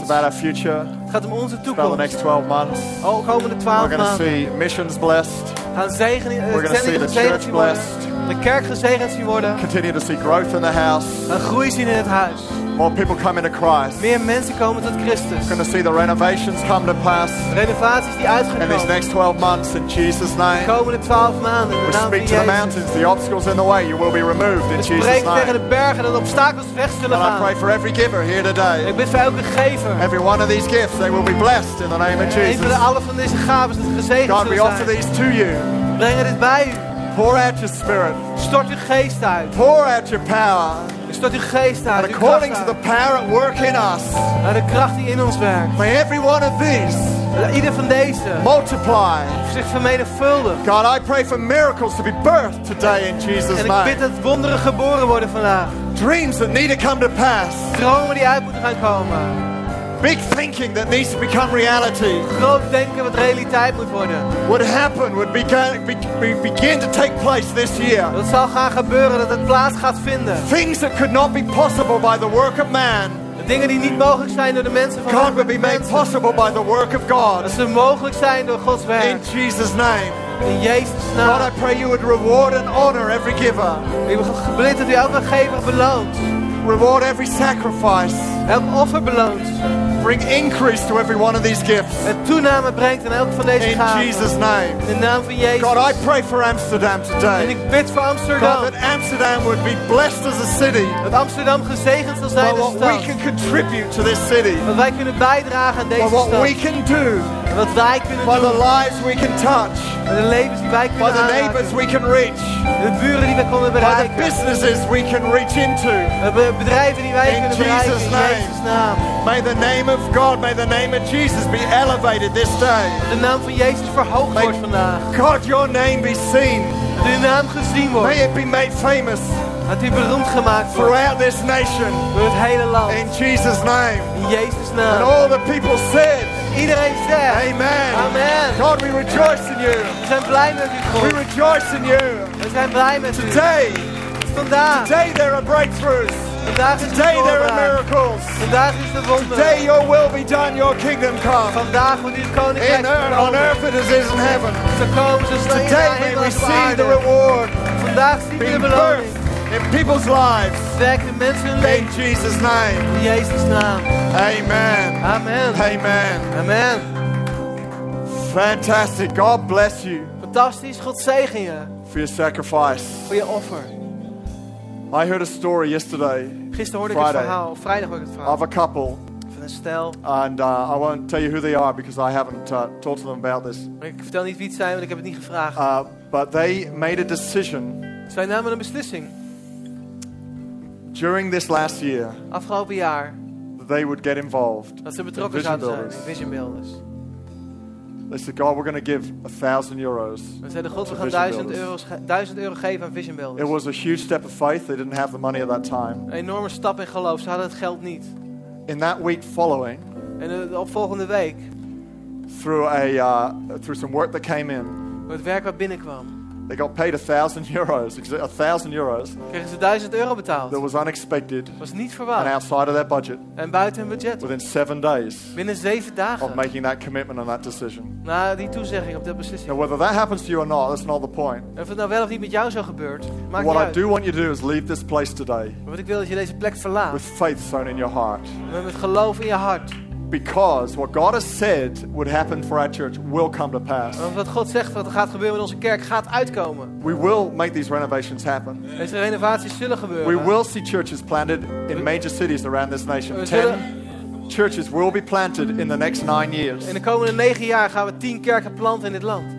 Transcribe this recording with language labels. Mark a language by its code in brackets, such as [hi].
[en] It's about our future. [nl] Het gaat om onze toekomst. [en] It's about the next 12 months. [nl] Oh, komende 12 [en] maanden. We're going to see missions blessed. [nl] Gaan zegenen. [en] We're going to see the church blessed. [nl] De kerk gezegend zien worden. [en] Continue to see growth in the house. [nl] Een groei zien in het huis. [en] More people coming to Christ. [nl] Meer mensen komen tot Christus. [en] We're going to see the renovations come to pass. [nl] Renovaties die uitgekomen. [en] In these next 12 months, in Jesus' name. [nl] De komende 12 maanden. [en] We speak to the mountains, the obstacles in the way, you will be removed in Jesus' name. [nl] We spreken tegen de bergen dat obstakels weg zullen gaan. [en] And I pray for every giver here today. [nl] Ik bid voor elke gever. [en] Every one of these gifts, they will be blessed in the name of Jesus. [nl] Even alle van deze gaven zullen gezegend zijn. [en] God, we offer these to you. [nl] Breng dit bij u. [en] Pour out your spirit. [nl] Stort uw geest uit. [en] Pour out your power. [nl] Stort uw geest uit. [en] And according to the power at work in us. [nl] Naar de kracht die in ons werkt. [en] May every one of these. [nl] Ieder van deze. [en] Multiply. [nl] Zich vermenigvuldig. [en] God, I pray for miracles to be birthed today in Jesus' name. [nl] En ik bid dat wonderen geboren worden vandaag. [en] Dreams that need to come to pass. [nl] Dromen die uit moeten gaan komen. [en] Big thinking that needs to become reality. [nl] Groot denken wat realiteit moet worden. [en] What happened would begin to take place this year. [nl] Dat zal gaan gebeuren, dat het plaats gaat vinden. [en] Things that could not be possible by the work of man. [nl] De dingen die niet mogelijk zijn door de mensen van [en] God would be made possible by the work of God. [nl] Dat ze mogelijk zijn door Gods werk. [en] In Jesus' name. [nl] In Jezus' naam. [en] God, I pray you would reward and honor every giver. [nl] Ik bid dat u elke gever beloont. [en] Reward every sacrifice. [nl] Elk offer beloont. [en] Bring increase to every one of these gifts. [nl] Een toename brengt aan elk van deze gaven. [en] In Jesus' name. [nl] In de naam van Jezus. [en] God, I pray for Amsterdam today. [nl] En ik bid voor Amsterdam. [en] God, that Amsterdam would be blessed as a city. [nl] Dat Amsterdam gezegend zal zijn als stad. [en] We can contribute to this city. [nl] Wat wij kunnen bijdragen aan deze stad. [en] What we can do. [nl] Wat wij kunnen doen. [en] By the lives we can touch. [nl] De levens die wij kunnen aanraken. [en] By the neighbors we can reach. [nl] De buren die we kunnen bereiken. [en] By the businesses we can reach into. [nl] De bedrijven die wij kunnen bereiken. [en] In Jesus' name. May the name of God, may the name of Jesus be elevated this day. [nl] De naam van Jezus verhoogd wordt vandaag. [en] God, your name be seen. [nl] Dat uw naam gezien wordt. [en] May it be made famous. [nl] Dat u beroemd gemaakt wordt. [en] Throughout this nation. [nl] Door het hele land. [en] In Jesus' name. [nl] In Jezus' naam. [en] And all the people said. [nl] Iedereen zegt. [en] Amen. [nl] Amen. [en] God, we rejoice in you. [nl] We zijn blij met u, God. [en] We rejoice in you. [nl] We zijn blij met u. [en] Today. [nl] Vandaag. [en] Today there are breakthroughs. [nl] Vandaag is [en] today there are miracles. [nl] Vandaag is de wonderen. [en] Today your will be done, your kingdom come. [nl] Vandaag moet uw koninkrijk [en] komen. On earth it is in heaven. [nl] Zo komen ze [en] straks. Today we receive the reward. [nl] Vandaag zien we de beloning. [en] In people's lives. [nl] Werk in mensen leven. [en] In Jesus' name. [nl] In Jezus' naam. [en] Amen. [nl] Amen. [en] Amen. [nl] Amen. [en] Fantastic. God bless you. [nl] Fantastisch. God zegen je. [en] For your sacrifice. [nl] Voor je offer. [en] I heard a story yesterday. [nl] Gisteren hoorde ik het verhaal. Vrijdag hoorde ik het verhaal. [en] Of a couple. [nl] Van een stel. [en] And I won't tell you who they are because I haven't talked to them about this. [nl] Ik vertel niet wie het zijn, want ik heb het niet gevraagd. [en] But they made a decision. [nl] Zij namen een beslissing. [en] During this last year. [nl] Afgelopen jaar. [en] They would get involved. [nl] Dat ze betrokken zouden zijn in Vision Builders. [en] They said, God, we're going to give 1,000 euros. [nl] We zeiden, God, we gaan 1,000 euro geven aan Vision Builders. [en] It was a huge step of faith. They didn't have the money at that time. [nl] Een enorme stap in geloof. Ze hadden het geld niet. [en] In that week following. [nl] En de opvolgende week. [en] Through some work that came in. [nl] Door het werk wat binnenkwam. [en] They got paid 1,000 euros. 1,000 euros. [nl] Kregen ze 1,000 euro betaald. [en] That was unexpected. [nl] Was niet verwacht. [en] And outside of their budget. [nl] En buiten hun budget. [en] Within 7 days. [nl] Binnen 7 dagen. [en] Of making that commitment and that decision. [nl] Na die toezegging op dat beslissing. [en] Now whether that happens to you or not, that's not the point. [nl] Of het nou wel of niet met jou zo gebeurt, maakt niet uit. [en] What I do want you to do is leave this place today. [nl] Wat ik wil is je deze plek verlaat. [en] With faith sown in your heart. [nl] Met geloof in je hart. [en] Because what God has said would happen for our church will come to pass. [nl] Wat God zegt wat er gaat gebeuren met onze kerk gaat uitkomen. [en] We will make these renovations happen. [nl] Deze renovaties zullen gebeuren. [en] We will see churches planted in major cities around this nation. 10 churches will be planted in the next 9 years. [nl] In de komende 9 jaar gaan we 10 kerken planten in dit land.